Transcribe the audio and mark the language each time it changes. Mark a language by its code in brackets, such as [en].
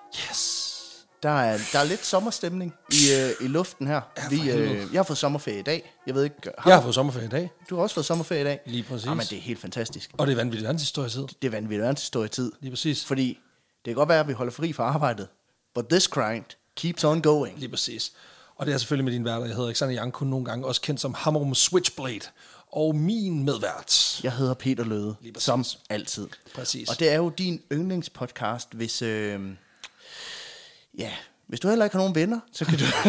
[da] Yes. Der er lidt sommerstemning i luften her. Jeg har fået sommerferie i dag. Jeg ved ikke. Jeg har fået sommerferie i dag. Du har også fået sommerferie i dag. Lige præcis. Jamen, det er helt fantastisk. Og det er vanvittigt verdenshistorietid. Det er vanvittigt verdenshistorietid. Lige præcis. Fordi det kan godt være, at vi holder fri fra arbejdet. [en] But this grind keeps on going. [da] Lige præcis. Og det er selvfølgelig med din værter. Jeg hedder Alexander Janko nogle gange, også kendt som Hammerum Switchblade. Og min medvært. Jeg hedder Peter Løde. Lige præcis. Som altid. Præcis. Og det er jo din yndlingspodcast, hvis... Ja, hvis du heller ikke har nogen venner, så kan du...